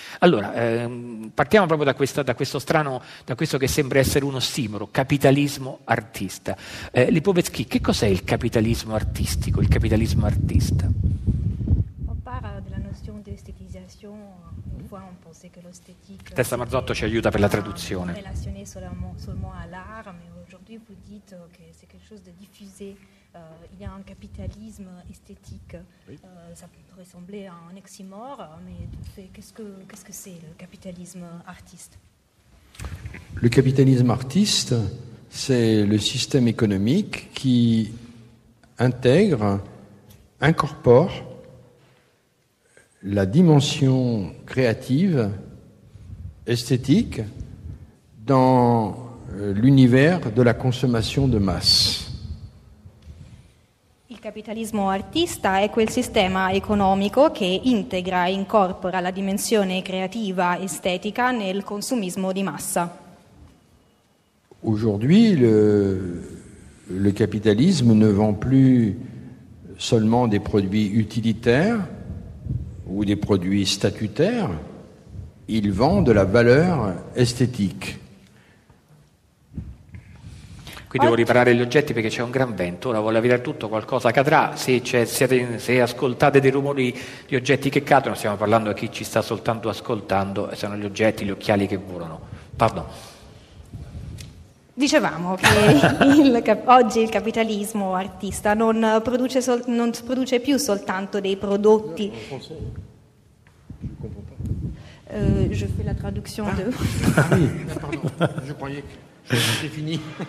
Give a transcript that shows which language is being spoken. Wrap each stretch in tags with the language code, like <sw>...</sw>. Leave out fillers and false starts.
<it>Allora, partiamo proprio da questo che sembra essere un ossimoro, capitalismo artista. Lipovetsky, che cos'è il capitalismo artista? Il capitalismo artista. On parla della notion di estetizzazione, un po' on pensa che l'estetica. Tessa Marzotto ci aiuta per la traduzione.</it> <fr>Relazionée seulement à l'art, mais aujourd'hui vous dites que c'est quelque chose de diffusé. Il y a un capitalisme esthétique. Ça peut ressembler à un oxymore, mais de fait, qu'est-ce que c'est le capitalisme artiste? Le capitalisme artiste, c'est le système économique qui intègre, incorpore la dimension créative, esthétique, dans l'univers de la consommation de masse.</fr> <it>Il capitalismo artista è quel sistema economico che integra e incorpora la dimensione creativa, estetica, nel consumismo di massa.</it> <fr>Aujourd'hui, le capitalisme ne vend plus seulement des produits utilitaires ou des produits statutaires, il vend de la valeur esthétique.</fr> <it>Qui devo riparare gli oggetti perché c'è un gran vento, ora voglio vedere tutto, qualcosa cadrà, se ascoltate dei rumori di oggetti che cadono, stiamo parlando a chi ci sta soltanto ascoltando, sono gli oggetti, gli occhiali che volano.</it> <fr>Pardon.</fr> <it>Dicevamo che oggi il capitalismo artista non produce più soltanto dei prodotti.</it> <fr>Je fais la traduction de. Pardon, je croyais que c'était fini.</fr>